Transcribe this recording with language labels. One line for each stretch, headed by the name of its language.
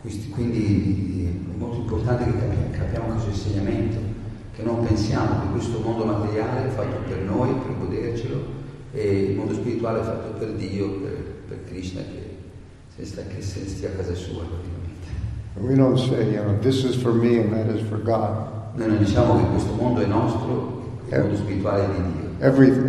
Italian: Quindi è molto importante che capiamo questo insegnamento, che non pensiamo che questo mondo materiale è fatto per noi, per godercelo, e il mondo spirituale è fatto per Dio, per Krishna, che stia a casa sua, praticamente.
English: We don't say, you know, this is for me and that is for God.
Italian: Noi non diciamo che questo mondo è nostro, il mondo spirituale è di Dio.